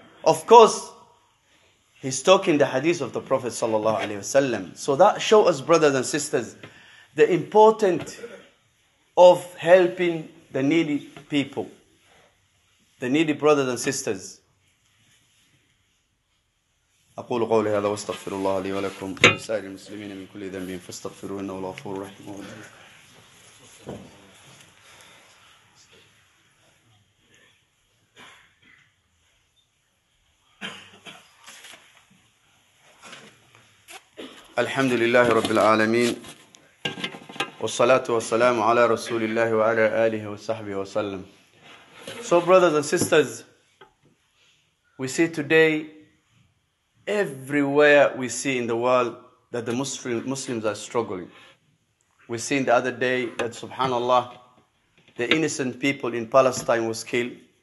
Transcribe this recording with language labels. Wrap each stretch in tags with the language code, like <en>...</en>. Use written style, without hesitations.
<en>Of course, he's talking the hadith of the Prophet sallallahu alaihi wasallam. So that shows us, brothers and sisters, the importance of helping the needy people, the needy brothers and sisters.</en> <ar>أقول قولي هذا واستغفر الله لي ولكم ولسائر المسلمين من كل ذنب فاستغفروه إنه الغفور الرحيم. الحمد لله رب العالمين والصلاة والسلام على رسول الله وعلى آله وصحبه وسلم.</ar> <en>So brothers and sisters, we see today everywhere we see in the world that the Muslims are struggling. We seen the other day that, subhanAllah, the innocent people in Palestine was killed.</en>